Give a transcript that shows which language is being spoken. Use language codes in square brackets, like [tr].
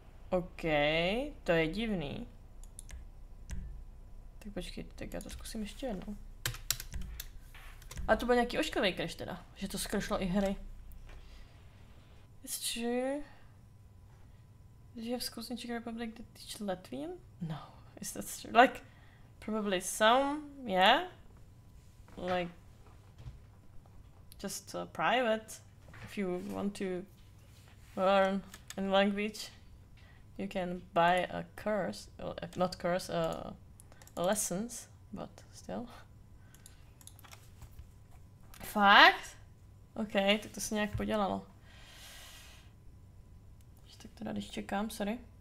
[cs] OK, to je divný. Tak počkej, tak já to zkusím ještě jednou. A to byl nějaký ošklivý crash teda, že to skršlo i hry. Ještě... [en] Did you have schools in Czech Republic that teach Latvian? No, is that true? Like, probably some, yeah? Like, just private. If you want to learn any language, you can buy a course, not course, lessons, but still. [cs] Fakt? Okay, tak to se nějak podělalo. Tak teda když čekám, sorry.